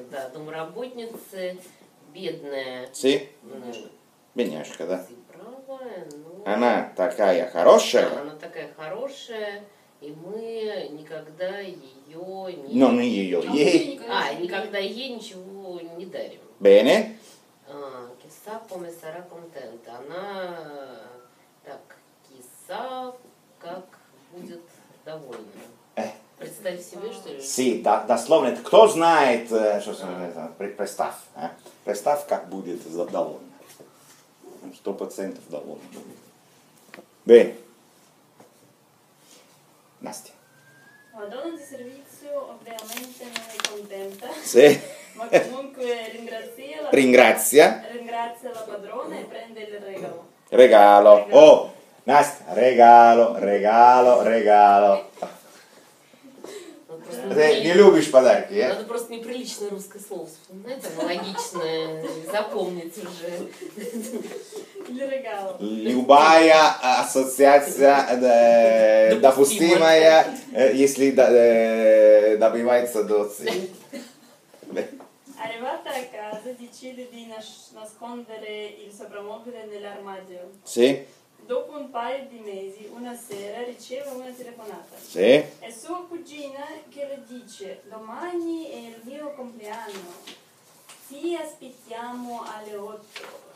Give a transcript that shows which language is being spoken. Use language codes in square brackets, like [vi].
[ru] Да, домработницы, бедная. Си? Бедняжка, да. Она такая хорошая. Она такая хорошая, и мы никогда ее не... Но мы ее, ей... А, никогда ей ничего не дарим. [it] Bene. Chissà come sarà contenta. [ru] Она... Так, [it] chissà [ru] как будет довольна. Представь себе, что ли? Си, да, дословно. Кто знает, что представь. А? Представь, как будет довольна. 100% довольна. [it] Bene. [ru] Настя. [it] Madonna di servizio, ovviamente non è contenta. Sì. Ma comunque ringrazia. Ringrazia. Ringrazia la padrona e prende il regalo. Regalo. Regalo. Oh, Nastia, regalo, regalo, regalo. [ru] Ты не любишь подарки, а? Надо просто неприличное русское слово вспоминать, аналогичное, запомнить уже. Для регала. Любая ассоциация допустимая, если добивается до цели. [it] Arrivata a casa, decide di nascondere il soprammobile nell'armadio. Sì. Dopo un paio di mesi, una sera, riceve una telefonata. Sì. È sua cugina che le dice, domani è il mio compleanno, ti aspettiamo alle 8.